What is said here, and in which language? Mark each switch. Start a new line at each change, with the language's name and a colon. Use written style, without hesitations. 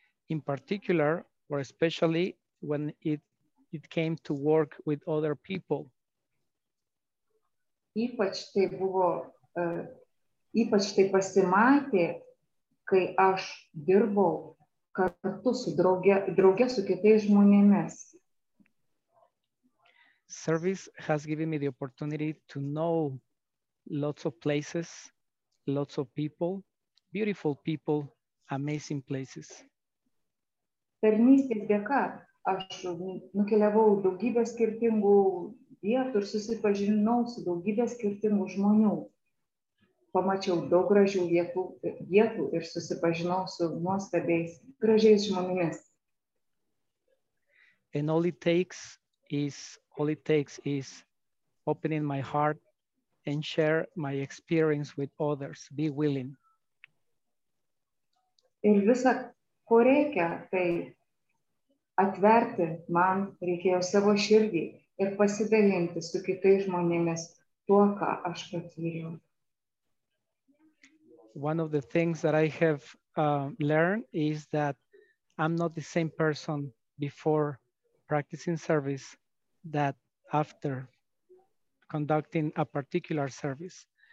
English: In particular, or especially when it came to work with other people.
Lithuanian: Ypač tai buvo, ypač tai pasimatė, kai aš dirbau kartu su drauge su kitais žmonėmis.
English: Service has given me the opportunity to know lots of places, lots of people. Beautiful people, amazing places.
Lithuanian: Tarnystės dėka, aš nukeliavau daugybę skirtingų vietų ir susipažinau su daugybę skirtingų žmonių. Pamačiau daug gražių vietų ir susipažinau su nuostabiais, gražiais žmonėmis.
English: And all it takes is opening my heart and share my experience with others. Be willing.
Lithuanian: Ir visą, ko reikia, tai atverti man reikėjo savo širdį ir pasidalinti su kitais žmonėmis tuo, ką aš patyriau.
English: One of the things that I have learned is that I'm not the same person before practicing service that after conducting a particular service.